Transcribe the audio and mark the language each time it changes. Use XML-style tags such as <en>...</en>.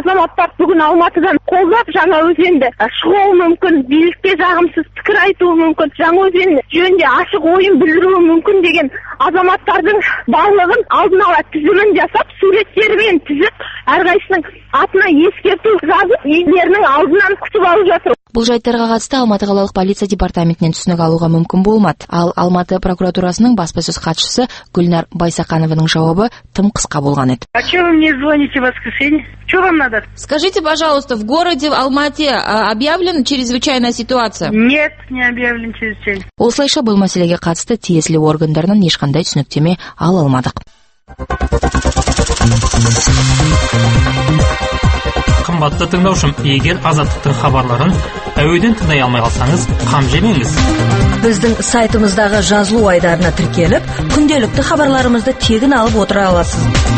<kk>Азаматтар бүгін Алматыдан қолдап Жаңаөзенді шығуы мүмкін, билікке жағымсыз пікір айтуы мүмкін, Жаңаөзен жөнінде ашық ойын білдіруі мүмкін деген азаматтардың барлығын алдын ала тізімін жасап, суреттерімен тізіп, әрқайсының атына ескерту жазып, үйлерінің алдынан күтіп алып жатыр. Бұл жайттарға қатысты Алматы қалалық полиция департаментінен түсінік алуға мүмкін болмады. Ал Алматы прокуратурасының баспасөз хатшысы Гүлнар Байсақанованың жауабы тым қысқа болған еді.</kk> <ru>А чего вы мне звоните в воскресенье? Что вам надо? Скажите, пожалуйста, в городе Алмате объявлена чрезвычайная ситуация? Нет, не объявлен чрезвычайная.</ru> <kk>Осылайша бұл мәселеге қатысты тиесілі органдарынан ешқандай түсініктеме ала алмадық. Қымбатты тыңдаушым, егер азаттықтың хабарларын әуеден тыңдай алмай қалсаңыз, қам жемеңіз. Біздің сайтымыздағы жазылу айдарына тіркеліп, күнделікті хабарларымызды тегін алып отыра аласыз.</kk>